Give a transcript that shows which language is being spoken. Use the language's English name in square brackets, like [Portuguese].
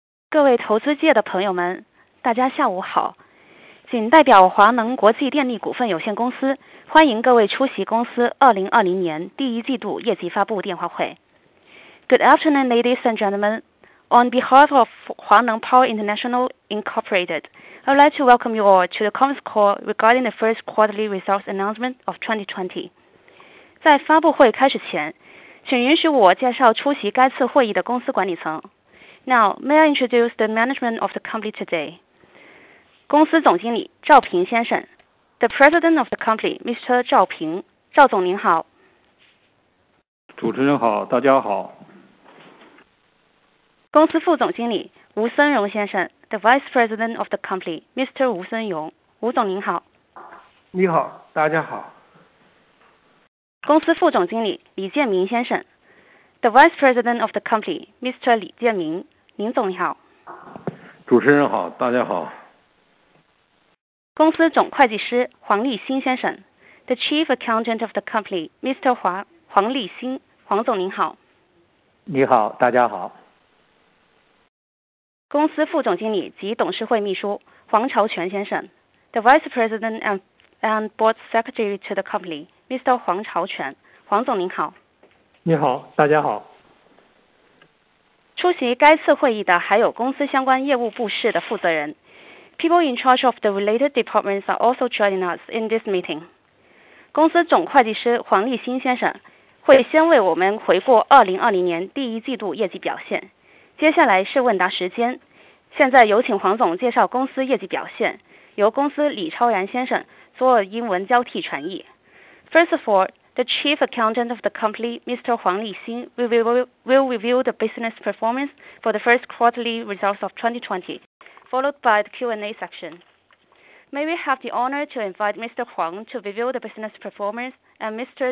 [Chinese] 各位投资界的朋友们，大家下午好。谨代表华能国际电力股份有限公司，欢迎各位出席公司2020年第一季度业绩发布电话会。 [English] Good afternoon, ladies and gentlemen. On behalf of Huaneng Power International Incorporated, I would like to welcome you all to the conference call regarding the first quarterly results announcement of 2020. [Chinese] 在发布会开始前，请允许我介绍出席该次会议的公司管理层。 [English] Now, may I introduce the management of the company today? [Chinese] 公司总经理赵平先生。 [English] The president of the company, Mr. [Chinese] 赵平。赵总您好。主持人好，大家好。公司副总经理吴森荣先生。 [English] The vice president of the company, Mr. 吴森荣。 [Chinese] 吴总您好。你好，大家好。公司副总经理李建明先生。 [English] The vice president of the company, Mr. 李建明。 [Chinese] 林总你好。主持人好，大家好。公司总会计师黄立新先生。 [English] The chief accountant of the company, Mr. 黄立新。 [Chinese] 黄总您好。你好，大家好。公司副总经理及董事会秘书黄朝全先生。 [English] The vice president and board secretary to the company, Mr. [Chinese] 黄朝全。黄总您好。你好，大家好。出席该次会议的还有公司相关业务部室的负责人。 [English] People in charge of the related departments are also joining us in this meeting. [Chinese] 公司总会计师黄立新先生会先为我们回顾2020年第一季度业绩表现，接下来是问答时间。现在有请黄总介绍公司业绩表现，由公司李超然先生做英文交替传译。 [English] First of all,The chief accountant of the company, Mr. 黄立新, will review the business performance for the first quarterly results of 2020, followed by the Q&A section. May we have the honor to invite Mr. Huang to review the business performance, and Mr.